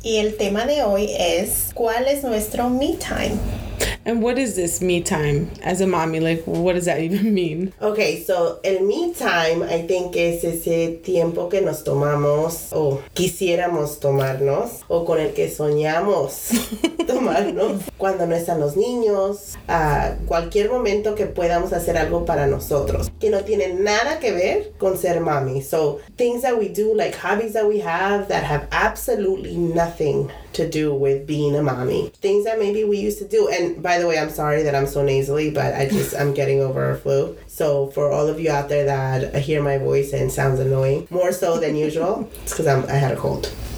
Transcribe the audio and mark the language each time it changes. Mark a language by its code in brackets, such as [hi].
[es] Y el tema de hoy es, ¿cuál es nuestro me time? [en] And what is this me time as a mommy? Like, what does that even mean? Okay, so [es] el me time, [en] I think, [es] es ese tiempo que nos tomamos o quisiéramos tomarnos o con el que soñamos tomarnos cuando no están los niños, a cualquier momento que podamos hacer algo para nosotros que no tiene nada que ver con ser mommy. [en] So things that we do, like hobbies that we have that have absolutely nothing to do with being a mommy. Things that maybe we used to do. And by the way, I'm sorry that I'm so nasally, but I'm getting over a flu. So for all of you out there that hear my voice and sounds annoying, more so than usual, it's because I had a cold.